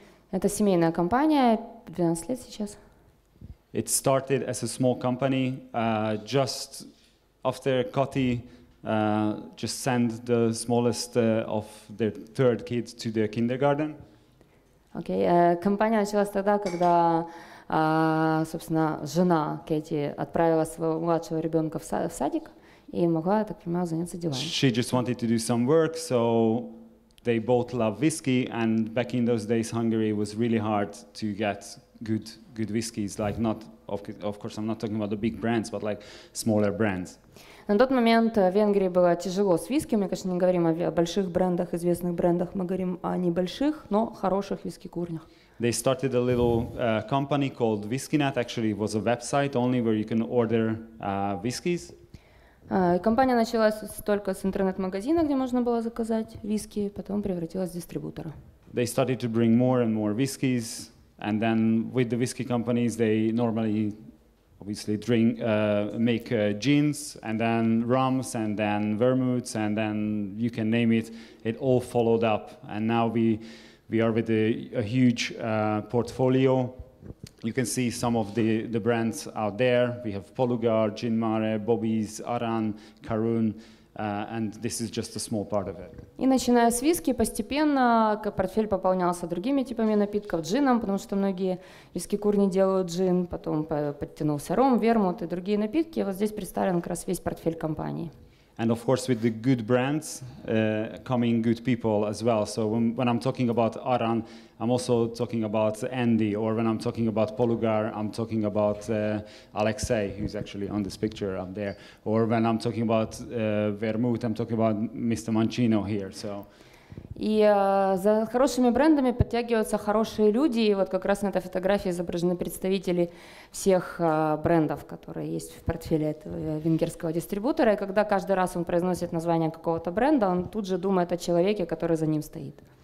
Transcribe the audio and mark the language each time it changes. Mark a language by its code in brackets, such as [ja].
[ru] Это семейная компания, 12 лет сейчас. [en] It started as a small company. Just after Kati just sent the smallest of their third kids to the kindergarten. Okay. [ru] Компания началась тогда, когда, собственно, жена Кэти отправила своего младшего ребенка в садик. И могла, так понимаю, заняться делами. [en] She just wanted to do some work, so they both love whiskey, and back in those days, Hungary was really hard to get good whiskeys. Like not, of course, I'm not talking about the big brands, but like smaller brands. [ru] На тот момент в Венгрии было тяжело с виски. Мы, конечно, не говорим о больших брендах, известных брендах, мы говорим о небольших, но хороших виски-курнях. [en] They started a little company called Viskinet. Actually, it was a website only where you can order whiskeys. [ru] Компания началась только с интернет-магазина, где можно было заказать виски, потом превратилась в дистрибьютора. [en] They started to bring more and more whiskies, and then with the whiskey companies, they normally, obviously, make gins, and then rums, and then vermouths, and then you can name it. It all followed up, and now we are with a huge portfolio. You can see some of the brands out there. We have Polugar, Gin Mare, Bobby's, Aran, Karun, and this is just a small part of it. [ru] И начиная с виски, постепенно портфель пополнялся другими типами напитков, джином, потому что многие виски-курни делают джин, потом подтянулся ром, вермут и другие напитки. Вот здесь представлен как раз весь портфель компании. [en] And of course, with the good brands coming good people as well. So when I'm talking about Aran, I'm also talking about Andy. Or when I'm talking about Polugar, I'm talking about Alexei, who's actually on this picture up there. Or when I'm talking about Vermouth, I'm talking about Mr. Mancino here. So. [ru] И за хорошими брендами подтягиваются хорошие люди. И вот как раз на этой фотографии изображены представители всех брендов, которые есть в портфеле этого венгерского дистрибьютора. И когда каждый раз он произносит название какого-то бренда, он тут же думает о человеке, который за ним стоит.